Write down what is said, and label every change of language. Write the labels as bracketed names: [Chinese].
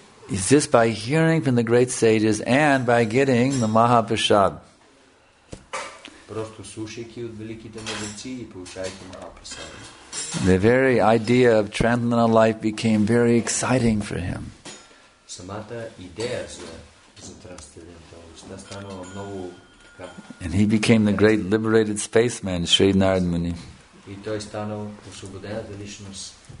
[English] It's just by hearing from the great sages and by getting the Mahaprasad. [Bulgarian] просто слушайки от великите мъдреци и получавайки Махапрасада. [English] The very idea of transcendental life became very exciting for him. [Bulgarian] Самата идея за трансценденталността станала много така. [English] And he became the great liberated spaceman, Sri Narad Muni. [Bulgarian] И той станал освободената личност.